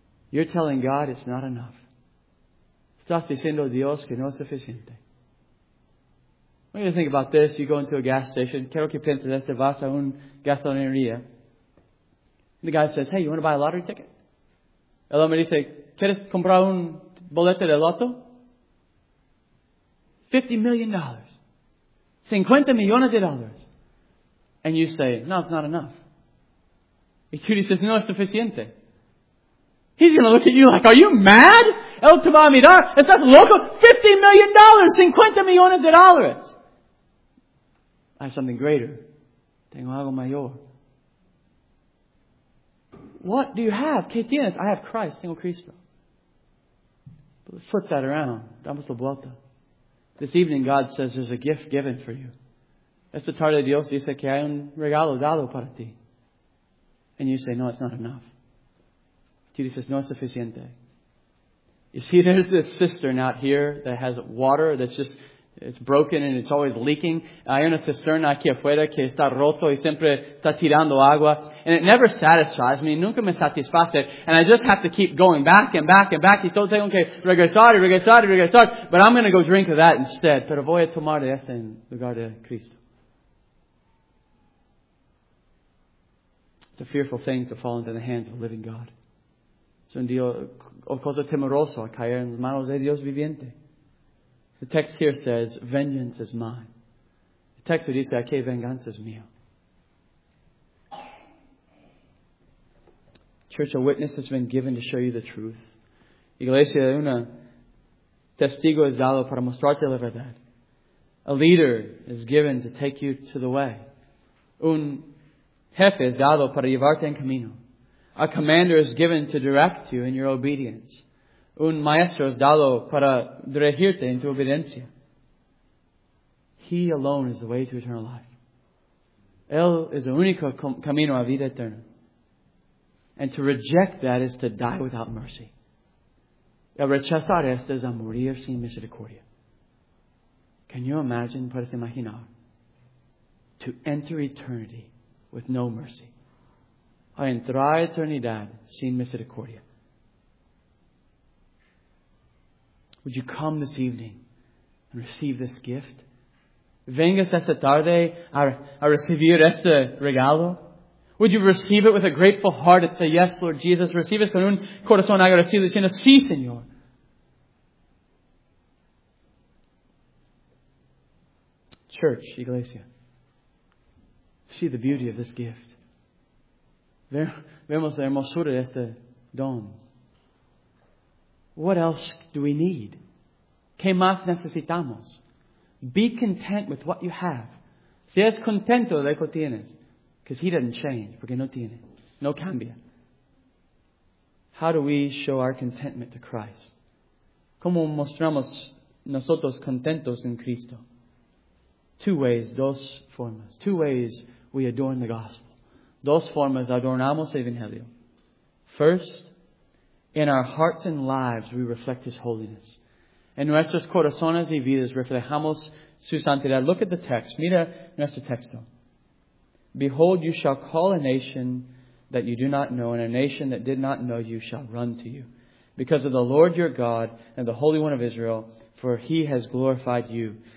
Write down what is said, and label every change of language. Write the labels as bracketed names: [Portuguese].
[English] You're telling God it's not enough. [Spanish] Estás diciendo a Dios que no es suficiente. [English] When you think about this, you go into a gas station. [Spanish] Quiero que pienses esto. Vas a un gasolinería. [English] The guy says, hey, you want to buy a lottery ticket? [Spanish] El hombre dice, ¿quieres comprar un boleto de loto? [English] $50 million. $50 million. And you say, no, it's not enough. [Spanish] Y tú dices, no es suficiente. [English] He's going to look at you like, are you mad? [Spanish] El te va a mirar. ¿Estás loco? [English] $50 million. $50 million. I have something greater. [Spanish] Tengo algo mayor. [English] What do you have? [Spanish] ¿Qué tienes? [English] I have Christ. [Spanish] Tengo Cristo. [English] But let's flip that around. [Spanish] Damos la vuelta. [English] This evening, God says there's a gift given for you. [Spanish] Esta tarde, Dios dice que hay un regalo dado para ti. [English] And you say, no, it's not enough. [Spanish] Tú dices, no es suficiente. [English] You see, there's this cistern out here that has water that's just, it's broken and it's always leaking. [Spanish] Hay una cisterna aquí afuera que está roto y siempre está tirando agua. [English] And it never satisfies me. [Spanish] Nunca me satisface. [English] And I just have to keep going back and back and back. [Spanish] Y todo tengo que regresar y regresar y regresar. [English] But I'm going to go drink of that instead. [Spanish] Pero voy a tomar de esta en lugar de Cristo. [English] It's a fearful thing to fall into the hands of a living God. [Spanish] Es un Dios, o cosa temerosa, caer en las manos de Dios viviente. [English] The text here says, vengeance is mine. The text here [Spanish] dice, aquí venganza es mío. [English] Church, a witness has been given to show you the truth. [Spanish] Iglesia, una testigo es dado para mostrarte la verdad. [English] A leader is given to take you to the way. [Spanish] Un jefe es dado para llevarte en camino. [English] A commander is given to direct you in your obedience. [Spanish] Un maestro es dado para dirigirte en tu obediencia. [English] He alone is the way to eternal life. [Spanish] Él es el único camino a vida eterna. [English] And to reject that is to die without mercy. [Spanish] El rechazar esto es a morir sin misericordia. [English] Can you imagine, [Spanish] puedes imaginar, [English] to enter eternity with no mercy? [Spanish] A entrar a eternidad sin misericordia. [English] Would you come this evening and receive this gift? [Spanish] Vengas esta tarde a recibir este regalo. [English] Would you receive it with a grateful heart and say, yes, Lord Jesus, receive it [Spanish] con un corazón agradecido diciendo, sí, Señor. [English] Church, Iglesia, see the beauty of this gift. [Spanish] Vemos la hermosura de este don. [English] What else do we need? [Spanish] ¿Qué más necesitamos? [English] Be content with what you have. [Spanish] Si eres contento de lo que tienes. [English] Because he doesn't change. [Spanish] Porque no tiene. No cambia. [English] How do we show our contentment to Christ? [Spanish] ¿Cómo mostramos nosotros contentos en Cristo? [English] Two ways, [Spanish] dos formas. [English] Two ways we adorn the gospel. [Spanish] Dos formas adornamos el Evangelio. [English] First, in our hearts and lives we reflect His holiness. [Spanish] En nuestros corazones y vidas reflejamos su santidad. [English] Look at the text. [Spanish] Mira nuestro texto. [English] Behold, you shall call a nation that you do not know, and a nation that did not know you shall run to you. Because of the Lord your God and the Holy One of Israel, for He has glorified you.